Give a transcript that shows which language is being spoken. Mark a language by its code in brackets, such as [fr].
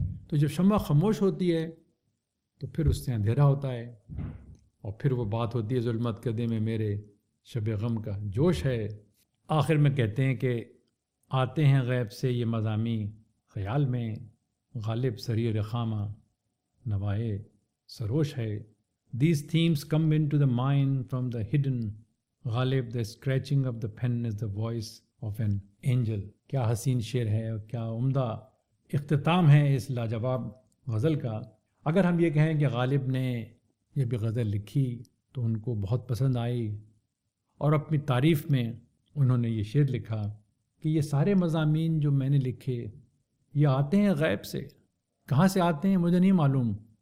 [ur] تو جب شمع خاموش ہوتی ہے تو پھر اس سے اندھیرا ہوتا ہے, اور پھر وہ بات ہوتی ہے ظلمت کے دے میں میرے شب غم کا جوش ہے. آخر میں کہتے ہیں کہ آتے ہیں غیب سے یہ مضامین خیال میں, غالب سریر خامہ نوائے سروش ہے. [en] These themes come into the mind from the hidden, Ghalib the scratching of the pen is the voice of an angel. [ur] کیا حسین شعر ہے اور کیا عمدہ اختتام ہے اس لاجواب غزل کا. اگر ہم یہ کہیں کہ غالب نے یہ بھی غزل لکھی تو ان کو بہت پسند آئی, اور اپنی تعریف میں انہوں نے یہ شعر لکھا کہ یہ سارے مضامین جو میں نے لکھے یہ آتے ہیں غیب سے, کہاں سے آتے ہیں مجھے نہیں معلوم.